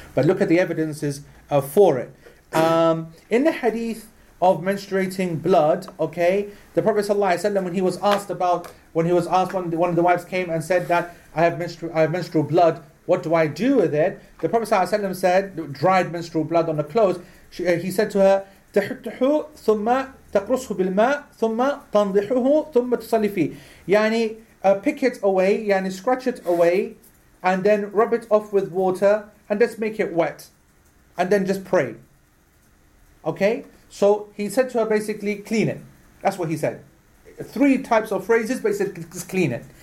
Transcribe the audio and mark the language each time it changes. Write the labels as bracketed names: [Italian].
[English] But look at the evidences for it. In the hadith of menstruating blood, okay, the Prophet sallallahu alaihi wasallam, when one of the wives came and said that I have menstrual blood, what do I do with it? The Prophet sallallahu alaihi wasallam said, dried menstrual blood on the clothes. He said to her, [Arabic] تحطحو ثم تقرصه بالماء ثم تنضحه ثم تصلي فيه. [English] يعني pick it away, يعني scratch it away, and then rub it off with water, and just make it wet, and then just pray. Okay? So he said to her basically, clean it. That's what he said. Three types of phrases, but he said, just clean it.